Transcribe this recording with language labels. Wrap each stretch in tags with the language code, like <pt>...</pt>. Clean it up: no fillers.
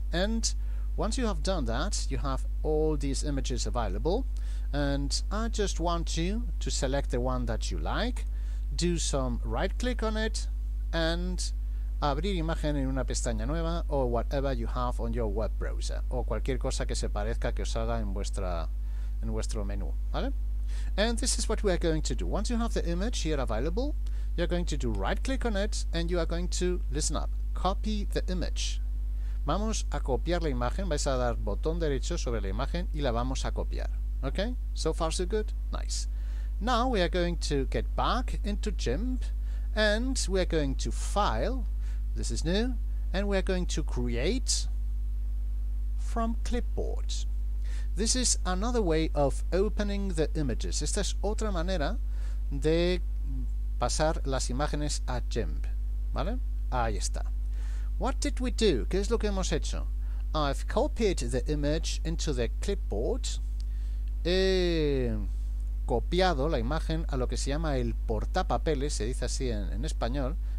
<en>And once you have done that, you have all these images available, and I just want you to select the one that you like, do some right click on it, and</en> <es>abrir imagen en una pestaña nueva</es> <en>or whatever you have on your web browser</en> <es>o cualquier cosa que se parezca que os salga en vuestra en vuestro menú, ¿vale?</es> <en>And this is what we are going to do. Once you have the image here available, you're going to do right click on it and you are going to, listen up, copy the image.</en> <es>Vamos a copiar la imagen, vais a dar botón derecho sobre la imagen y la vamos a copiar.</es> <en>Okay? So far so good? Nice. Now we are going to get back into GIMP and we are going to file, this is new, and we are going to create from clipboard. This is another way of opening the images.</en> <es>Esta es otra manera de pasar las imágenes a GIMP, ¿vale? Ahí está.</es> <en>What did we do?</en> <es>¿Qué es lo que hemos hecho?</es> <en>I've copied the image into the clipboard.</en> <es>He copiado la imagen a lo que se llama el portapapeles, se dice así en español.</es>